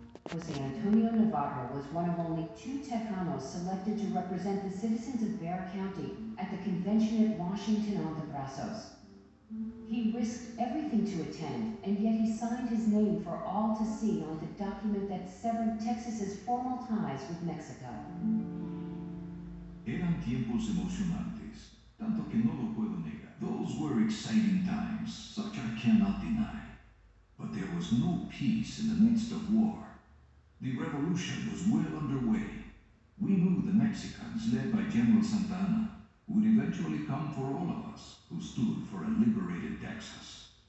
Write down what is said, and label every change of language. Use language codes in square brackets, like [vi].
[en] José Antonio Navarro was one of only two Tejanos selected to represent the citizens of Bexar County at the convention at Washington on the Brazos. He risked everything to attend, and yet he signed his name for all to see on the document that severed Texas's formal ties with Mexico. [es] Eran tiempos emocionantes, tanto que no lo puedo negar. [en] Those were exciting times, such I cannot deny. But there was no peace in the midst of war. The revolution was well underway. We knew the Mexicans, led by General Santana, would eventually come for all of us who stood for a liberated Texas.